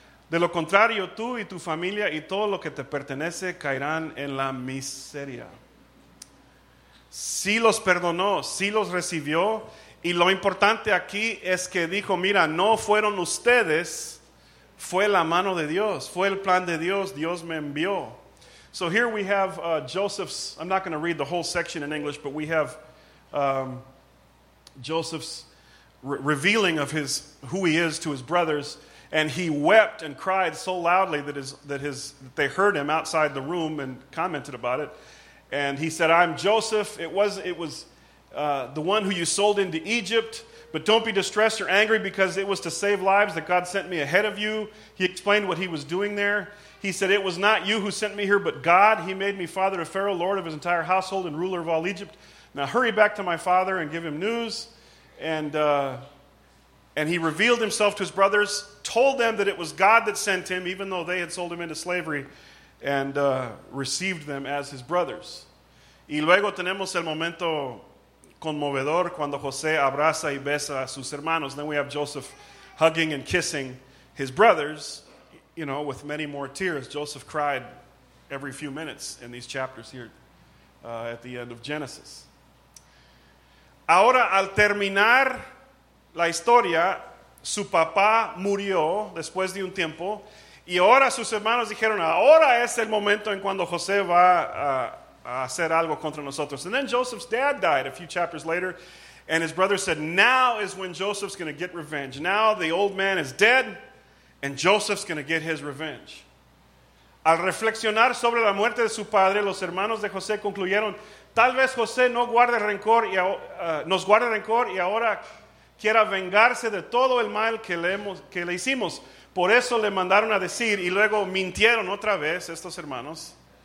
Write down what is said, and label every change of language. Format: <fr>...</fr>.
<es>De lo contrario, tú y tu familia y todo lo que te pertenece caerán en la miseria. Sí los perdonó, sí los recibió. Y lo importante aquí es que dijo, mira, no fueron ustedes, fue la mano de Dios, fue el plan de Dios, Dios me envió.</es> <en>So here we have Joseph's, I'm not going to read the whole section in English, but we have Joseph's revealing of his who he is to his brothers. And he wept and cried so loudly that they heard him outside the room and commented about it. And he said, I'm Joseph. The one who you sold into Egypt, but don't be distressed or angry because it was to save lives that God sent me ahead of you. He explained what he was doing there. He said, it was not you who sent me here, but God. He made me father of Pharaoh, lord of his entire household and ruler of all Egypt. Now hurry back to my father and give him news. And he revealed himself to his brothers, told them that it was God that sent him, even though they had sold him into slavery. and received them as his brothers.</en> <es>Y luego tenemos el momento conmovedor cuando José abraza y besa a sus hermanos.</es> <en>Then we have Joseph hugging and kissing his brothers, you know, with many more tears. Joseph cried every few minutes in these chapters here at the end of Genesis.</en> <es>Ahora, al terminar la historia, su papá murió después de un tiempo, y ahora sus hermanos dijeron, ahora es el momento en cuando José va a hacer algo contra nosotros.</es> <en>And then Joseph's dad died a few chapters later, and his brother said, now is when Joseph's going to get revenge. Now the old man is dead, and Joseph's going to get his revenge.</en> <es>Al reflexionar sobre la muerte de su padre, los hermanos de José concluyeron, tal vez José no guarde rencor y nos guarde rencor y ahora quiera vengarse de todo el mal que le hicimos. Por eso le mandaron a decir, y luego mintieron otra vez estos hermanos.</es>